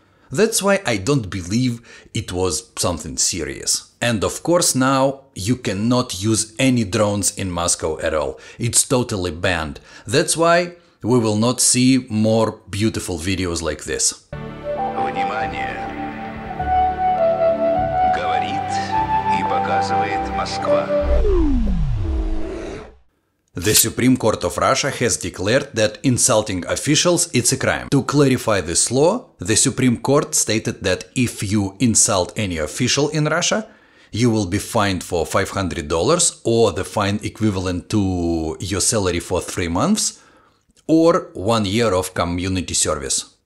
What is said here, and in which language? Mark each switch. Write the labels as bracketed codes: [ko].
[en] That's why I don't believe it was something serious. And of course now you cannot use any drones in Moscow at all. It's totally banned. That's why we will not see more beautiful videos like this. [ru] Внимание! Говорит и показывает Москва. [en] The Supreme Court of Russia has declared that insulting officials is a crime. To clarify this law, the Supreme Court stated that if you insult any official in Russia, you will be fined for $500 or the fine equivalent to your salary for 3 months or 1 year of community service.